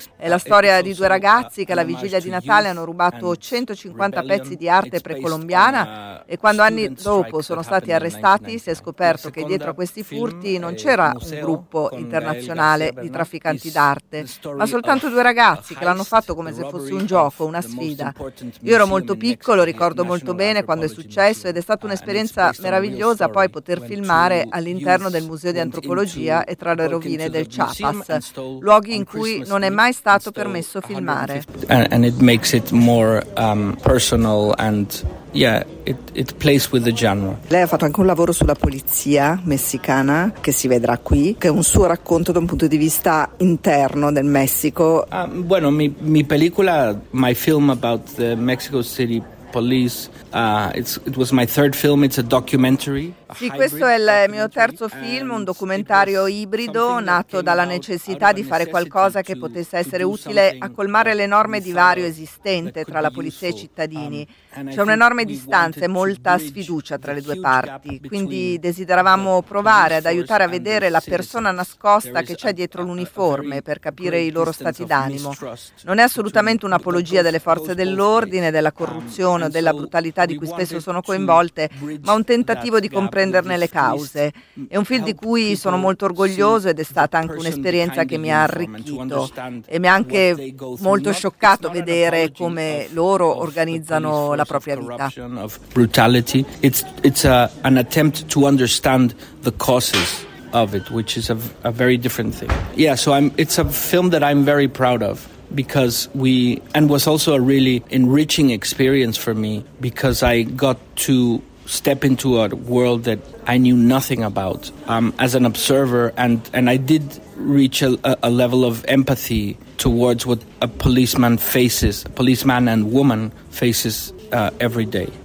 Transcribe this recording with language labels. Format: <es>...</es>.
<it>È la storia di due ragazzi che alla vigilia di Natale hanno rubato 150 pezzi di arte precolombiana e quando anni dopo sono stati arrestati si è scoperto che dietro a questi furti non c'era un gruppo internazionale di trafficanti d'arte, ma soltanto due ragazzi che l'hanno fatto come se fosse un gioco, una sfida. Io ero molto piccolo, lo ricordo molto bene quando è successo ed è stata un'esperienza meravigliosa poi poter filmare all'interno del Museo di Antropologia e tra le rovine del Chiapas, luoghi in cui non è mai stato permesso filmare.</it> <en>And it makes it more personal and yeah, it plays with the genre.</en> <it>Lei ha fatto anche un lavoro sulla polizia messicana che si vedrà qui, che è un suo racconto da un punto di vista interno del Messico.</it> <es>Bueno, mi película,</es> <en>my film about the Mexico City police. It was my third film, it's a documentary.</en> <it>Sì, questo è il mio terzo film, un documentario ibrido nato dalla necessità di fare qualcosa che potesse essere utile a colmare l'enorme divario esistente tra la polizia e i cittadini. C'è un'enorme distanza e molta sfiducia tra le due parti, quindi desideravamo provare ad aiutare a vedere la persona nascosta che c'è dietro l'uniforme per capire i loro stati d'animo. Non è assolutamente un'apologia delle forze dell'ordine, della corruzione o della brutalità di cui spesso sono coinvolte, ma un tentativo di comprenderne le cause. È un film di cui sono molto orgoglioso ed è stata anche un'esperienza che mi ha arricchito e mi ha anche molto scioccato vedere come loro organizzano la propria vita.</it> <en>It's an attempt to understand the causes of it, which is a very different thing. Yeah, so it's a film that I'm very proud of. And was also a really enriching experience for me because I got to step into a world that I knew nothing about as an observer, and I did reach a level of empathy towards what a policeman faces, a policeman and woman faces every day.</en>